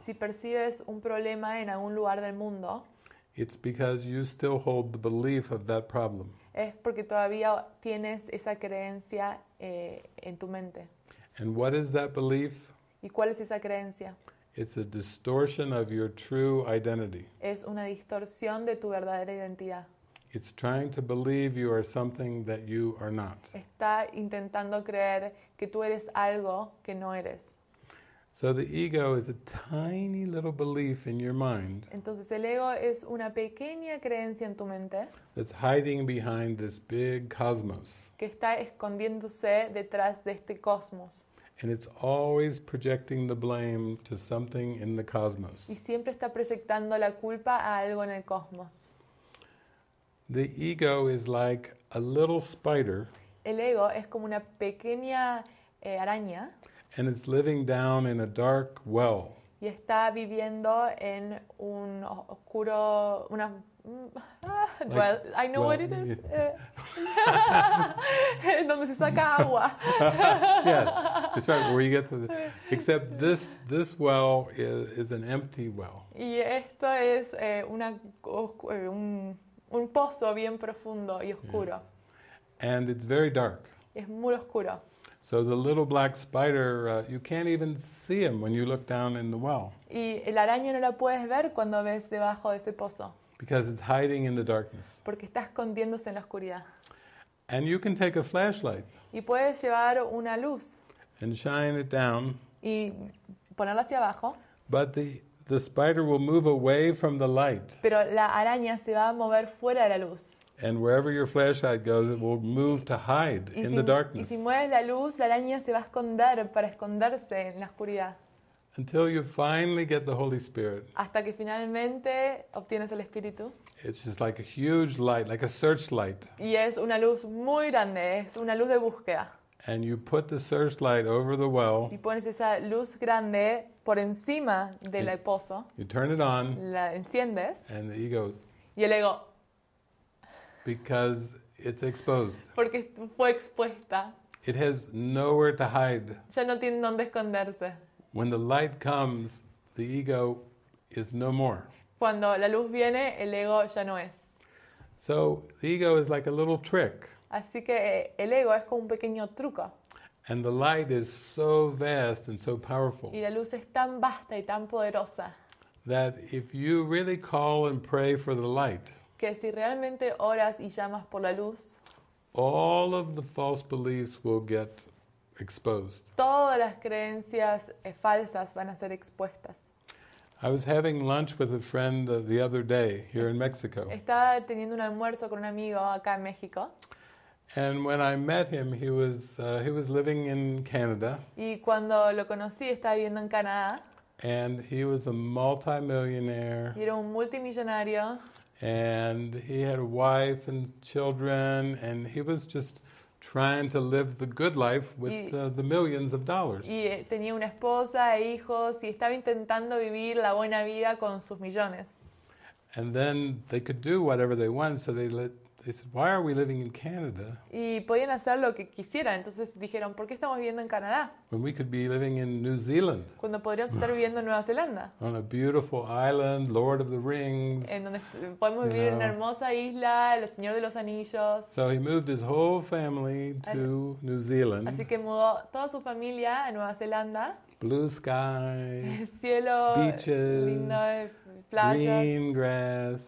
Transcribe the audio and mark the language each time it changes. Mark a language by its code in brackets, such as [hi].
[es] si percibes un problema en algún lugar del mundo, [en] It's because you still hold the belief of that problem. [es] Es porque todavía tienes esa creencia en tu mente. [en] And what is that belief? [es] ¿Y cuál es esa creencia? [en] It's a distortion of your true identity. [es] Es una distorsión de tu verdadera identidad. [en] It's trying to believe you are something that you are not. [es] Está intentando creer que tú eres algo que no eres. [en] So the ego is a tiny little belief in your mind. [es] Entonces el ego es una pequeña creencia en tu mente. [en] That's hiding behind this big cosmos. [es] Que está escondiéndose detrás de este cosmos. [en] And it's always projecting the blame to something in the cosmos. [es] Y siempre está proyectando la culpa a algo en el cosmos. [en] The ego is like a little spider. [es] El ego es como una pequeña araña. [en] And it's living down in a dark well. [es] Y está viviendo en un oscuro una [en] well, like, I know well, what it is. [es] Yeah. Donde se saca agua. [en] Yes. It's right where you get to the, except this well is an empty well. [es] Y esto es un pozo bien profundo y oscuro. [en] Yeah. And it's very dark. [es] Es muy oscuro. [en] So the little black spider, you can't even see him when you look down in the well. [es] Y la araña no la puedes ver cuando ves debajo de ese pozo. [en] Because it's hiding in the darkness. [es] Porque está escondiéndose en la oscuridad. [en] And you can take a flashlight. [es] Y puedes llevar una luz. [en] And shine it down. [es] Y ponerla hacia abajo. [en] But the spider will move away from the light. [es] Pero la araña se va a mover fuera de la luz. [en] And wherever your flashlight goes, it will move to hide in the darkness. [es] Y si mueves la luz, la araña se va a esconder para esconderse en la oscuridad. [en] Until you finally get the Holy Spirit. [es] Hasta que finalmente obtienes el Espíritu. [en] It's just like a huge light, like a searchlight. [es] Y es una luz muy grande, es una luz de búsqueda. [en] And you put the searchlight over the well. [es] Y pones esa luz grande por encima del pozo. [en] You turn it on. [es] La enciendes. [en] And the ego. [es] Y el ego. [en] Because it's exposed. [es] Porque fue expuesta. [en] It has nowhere to hide. [es] Ya no tiene dónde esconderse. [en] When the light comes, the ego is no more. [es] Cuando la luz viene, el ego ya no es. [en] So the ego is like a little trick. [es] Así que el ego es como un pequeño truco. [en] And the light is so vast and so powerful. [es] Y la luz es tan vasta y tan poderosa. [en] That if you really call and pray for the light. [es] Que si realmente oras y llamas por la luz. [en] All of the false beliefs will get exposed. [es] Todas las creencias falsas van a ser expuestas. [en] I was having lunch with a friend the other day here in Mexico. [es] Estaba teniendo un almuerzo con un amigo acá en México. [en] And when I met him, he was living in Canada. [es] Y cuando lo conocí, estaba viviendo en Canadá. [en] And he was a multimillionaire. [es] Y era un multimillonario. [en] And he had a wife and children, and he was just trying to live the good life with the millions of dollars. [es] Y tenía una esposa e hijos y estaba intentando vivir la buena vida con sus millones. [en] And then they could do whatever they want, so they said, "Why are we living in Canada?" [es] Y podían hacer lo que quisieran, entonces dijeron, "¿Por qué estamos viviendo en Canadá?" [en] When we could be living in New Zealand. [es] Cuando podríamos estar viviendo en Nueva Zelanda. [en] On a beautiful island, Lord of the Rings. [es] En donde podemos vivir en una hermosa isla, el Señor de los Anillos. [en] So he moved his whole family to New Zealand. [es] Así que mudó toda su familia a Nueva Zelanda. [en] Blue skies, [es] cielo, [en] beaches, [es] lindo, playas, [en] green grass,